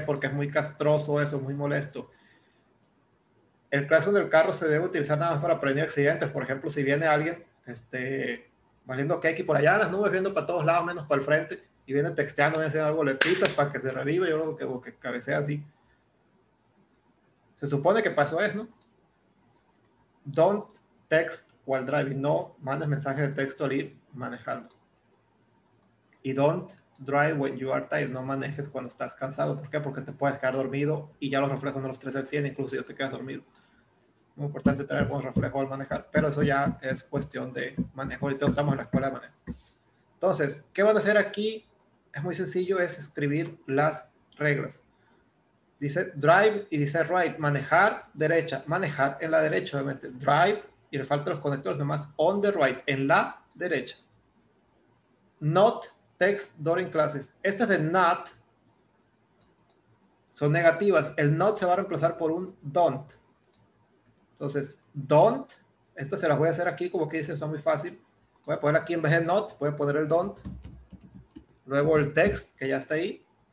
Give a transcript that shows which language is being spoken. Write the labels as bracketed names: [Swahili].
[Spanish] Porque es muy castroso eso, muy molesto. El claxon del carro se debe utilizar nada más para prevenir accidentes. Por ejemplo, si viene alguien valiendo cake y por allá en las nubes, viendo para todos lados, menos para el frente, y viene texteando, viene haciendo algo, le pitas para que se revive, yo lo que cabecea así. Se supone que para eso es, ¿no? [English] Don't text while driving. [Spanish] No mandes mensajes de texto al ir manejando. Y [English] don't drive when you are tired. [Spanish] No manejes cuando estás cansado. ¿Por qué? Porque te puedes quedar dormido y ya los reflejos no los traes al 100, incluso si ya te quedas dormido. Muy importante traer buen reflejo al manejar, pero eso ya es cuestión de manejo. Ahorita estamos en la escuela de manejo. Entonces, ¿qué van a hacer aquí? Es muy sencillo, es escribir las reglas. Dice drive y dice right. Manejar derecha. Manejar en la derecha, obviamente. Drive y le faltan los conectores nomás. On the right, en la derecha. [English] Not text during classes. [Spanish] Estas de not son negativas. El not se va a reemplazar por un don't. Entonces, don't, estas se las voy a hacer aquí, como que dice, son muy fácil. Voy a poner aquí en vez de not, voy a poner el don't. Luego el text, que ya está ahí.